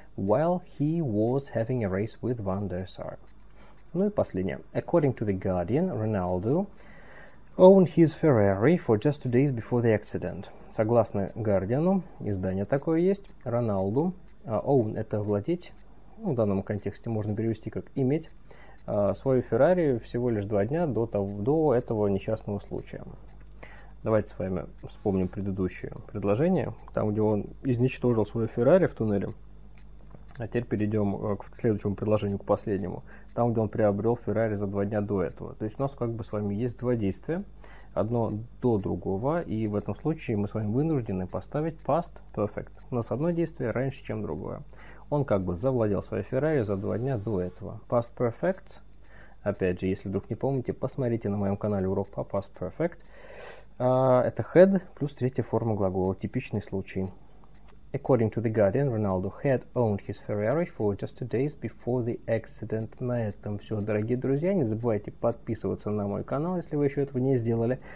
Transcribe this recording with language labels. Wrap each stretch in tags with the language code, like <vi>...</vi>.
<en>While he was having a race with Van der Sar.</en> <ru>Ну и последнее.</ru> <en>According to the Guardian, Ronaldo owned his Ferrari for just 2 days before the accident.</en> <ru>Согласно Guardian, издание такое есть, Роналду, own это владеть, ну, в данном контексте можно перевести как иметь свою Феррари всего лишь 2 дня до этого несчастного случая. Давайте с вами вспомним предыдущее предложение, там, где он изничтожил свою Феррари в туннеле. А теперь перейдем к следующему предложению, к последнему. Там, где он приобрел Феррари за 2 дня до этого. То есть у нас как бы с вами есть 2 действия, одно до другого, и в этом случае мы с вами вынуждены поставить past perfect. У нас одно действие раньше, чем другое. Он как бы завладел своей Феррари за 2 дня до этого. Past Perfect. Опять же, если вдруг не помните, посмотрите на моем канале урок по Past Perfect. Это had плюс третья форма глагола. Типичный случай.</ru> <en>According to the Guardian, Ronaldo had owned his Ferrari for just 2 days before the accident.</en> <ru>На этом все, дорогие друзья. Не забывайте подписываться на мой канал, если вы еще этого не сделали.</ru>